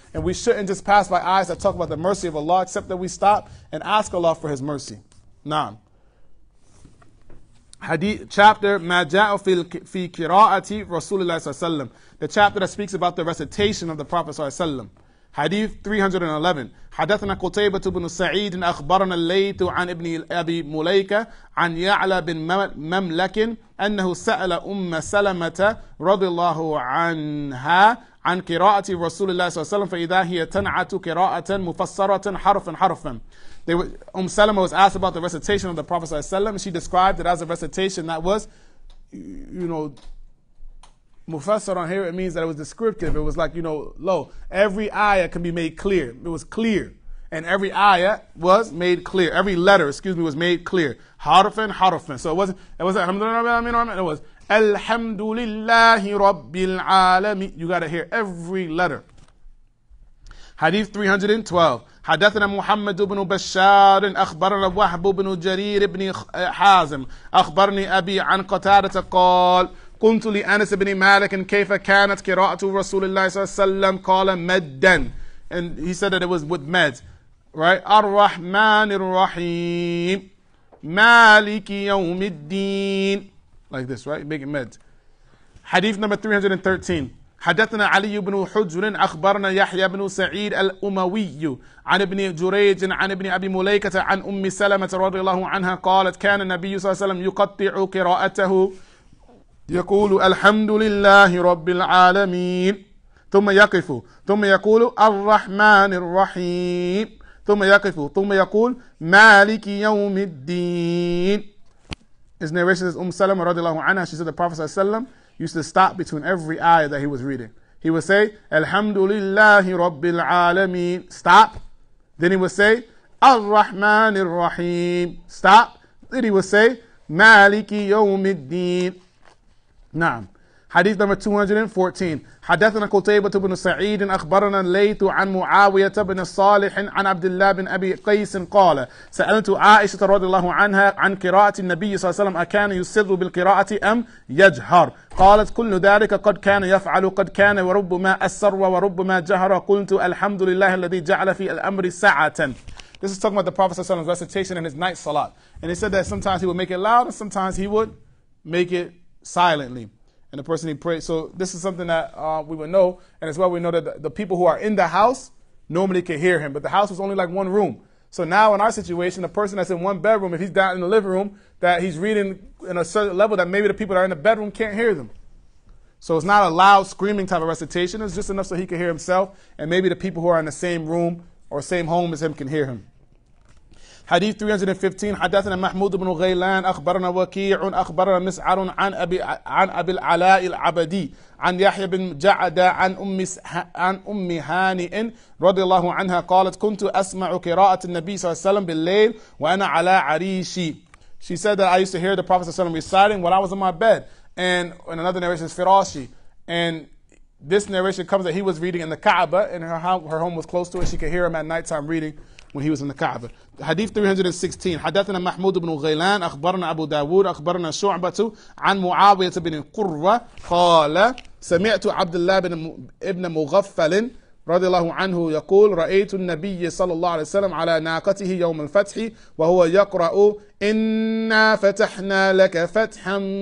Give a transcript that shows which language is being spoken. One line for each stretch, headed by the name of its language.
English: And we shouldn't just pass by ayahs that talk about the mercy of Allah, except that we stop and ask Allah for his mercy. Naam.
Arabic: Hadith chapter Maja'a fi qira'ati Rasulullah sallam.
English: The chapter that speaks about the recitation of the Prophet sallam. Hadith 311.
Arabic: حدثنا قتيبة بن سعيد أخبرنا الليث عن ابن أبي مليكة عن يعلى بن مملك أنه سأل أم سلمة رضي الله عنها عن قراءة رسول الله صلى الله عليه وسلم فإذا هي تنعت قراءة مفسرة حرفا حرفا.
English: Umm Salama was asked about the recitation of the Prophet
Arabic: صلى الله عليه وسلم.
English: She described it as a recitation that was, you know, Mufassar on here, it means that it was descriptive. It was like, you know, low. Every ayah can be made clear. It was clear. And every ayah was made clear. Every letter, excuse me, was made clear.
Arabic: Harfan, harfan.
English: So it wasn't alhamdulillah. It was
Arabic: alhamdulillahi rabbil alamin.
English: You got to hear every letter. Hadith 312.
Arabic: حدثنا محمد بن بشار أخبرنا وهب بن جرير بن حازم أخبرني أبي عن قتادة قال قلت لأنس بن مالك كيف كانت قراءة رسول الله صلى الله عليه وسلم قال مدا.
English: And he said that it was with med. Right?
Arabic: الرحمن الرحيم مالك يوم الدين.
English: Like this, right? Make it med. Hadith number 313.
Arabic: حدثنا علي بن حجر أخبرنا يحيى بن سعيد الأموي عن ابن جريج عن ابن أبي مليكة عن أم سلمة رضي الله عنها قالت كان النبي صلى الله عليه وسلم يقطع قراءته يقول الحمد لله رب العالمين ثم يقف ثم يقول الرحمن الرحيم ثم يقف ثم يقول مالك يوم الدين.
English: His narration is Salama
Arabic: رضي الله عنها.
English: She said the Prophet
Arabic: صلى الله عليه وسلم
English: used to stop between every ayah that he was reading. He would say
Arabic: الحمد لله رب العالمين,
English: stop. Then he would say
Arabic: الرحمن الرحيم,
English: stop. Then he would say
Arabic: مالك يوم الدين. نعم.
English: Hadith number 214.
Arabic: حدثنا قتيبة بن سعيد أخبرنا الليث عن معاوية بن صالح عن عبد الله بن أبي قيس قال سألت عائشة رضي الله عنها عن قراءة النبي صلى الله عليه وسلم أكان يسر بالقراءة أم يجهر قالت كل ذلك قد كان يفعل قد كان وربما أسر وربما جهر قلت الحمد لله الذي جعل في الأمر ساعة.
English: This is talking about the Prophet
Arabic: صلى الله عليه وسلم's
English: recitation in his night salat. And he said that sometimes he would make it loud and sometimes he would make it silently, and the person he prayed. So this is something that we would know, and as well we know that the people who are in the house normally can hear him, but the house was only like one room. So now in our situation, the person that's in one bedroom, if he's down in the living room, that he's reading in a certain level that maybe the people that are in the bedroom can't hear them. So it's not a loud screaming type of recitation, it's just enough so he can hear himself, and maybe the people who are in the same room or same home as him can hear him. Hadith 315.
Arabic: حدثنا محمود بن غيلان أخبرنا وكيع أخبرنا مسعر عن أبي العلاء العبدي عن يحيى بن جعدة عن أم هانئ رضي الله عنها قالت كنت أسمع قراءة النبي صلى الله عليه وسلم بالليل وأنا على عريشي.
English: She said that I used to hear the Prophet
Arabic: صلى الله عليه وسلم
English: reciting when I was on my bed, and in another narration is فراشي. And this narration comes that he was reading in the Kaaba, and her home was close to it. She could hear him at nighttime reading when he was in the Kaaba. Hadith 316.
Arabic: حدثنا محمود بن غيلان أخبرنا أبو داود أخبرنا شعبة عن معاوية بن قرة قال سمعت عبد الله بن مغفل رضي الله عنه يقول رأيت النبي صلى الله عليه وسلم على ناقته يوم الفتح وهو يقرأ إنا فتحنا لك فتحا